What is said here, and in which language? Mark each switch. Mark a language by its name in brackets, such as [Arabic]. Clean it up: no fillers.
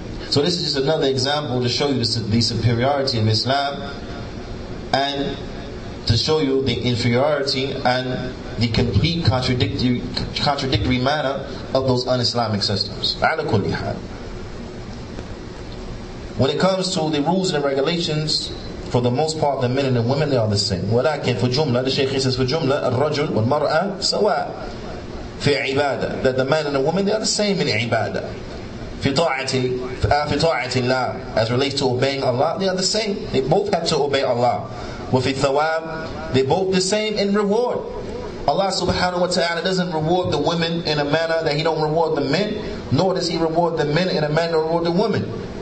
[English] So this is just another example to show you the superiority of Islam and to show you the inferiority and the complete contradictory manner of those un-Islamic systems. When it comes to the rules and the regulations, for the most part, the men and the women, they are the same. [Arabic] ولكن في جملة, [English] the Shaykh says, [Arabic] في جملة, الرجل والمرأة سواء في عبادة. [English] That the man and the woman, they are the same in عبادة. [Arabic] في طاعة الله, [English] as relates to obeying Allah, they are the same. They both have to obey Allah. [Arabic] وفي الثواب, [English] they both the same in reward. Allah subhanahu wa ta'ala doesn't reward the women in a manner that He don't reward the men, nor does He reward the men in a manner that reward the women.